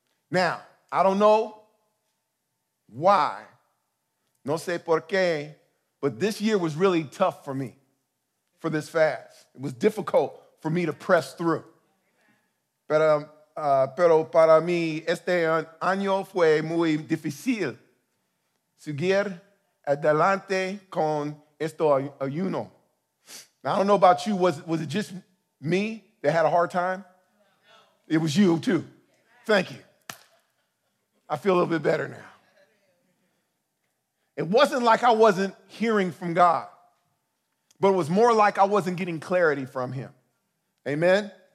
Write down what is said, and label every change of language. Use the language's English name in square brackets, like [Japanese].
[English] Now, I don't know why, [Spanish] no sé por qué, [English] but this year was really tough for me, for this fast. It was difficult for me to press through. [Spanish] Pero para mí, este año fue muy difícil seguir adelante con este ayuno. [English] Now, I don't know about you. Was it just me that had a hard time? It was you, too. Thank you. I feel a little bit better now. It wasn't like I wasn't hearing from God, but it was more like I wasn't getting clarity from Him. Amen?